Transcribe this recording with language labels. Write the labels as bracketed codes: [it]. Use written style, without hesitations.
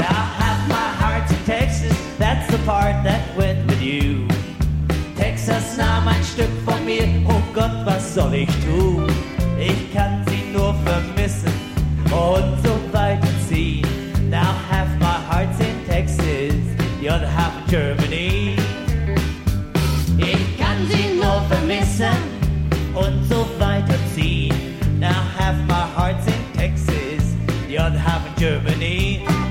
[en] Now half my heart's in Texas, that's the part that went with you. [de] Texas nahm ein Stück von mir, oh Gott, was soll ich tun? Ich kann sie nur vermissen und so weiter ziehen. [en] Now half my heart's in Texas, the other half of Germany. [de] Ich kann sie nur vermissen und so weiter ziehen. [en] Now half my heart's in Texas, the other half of Germany.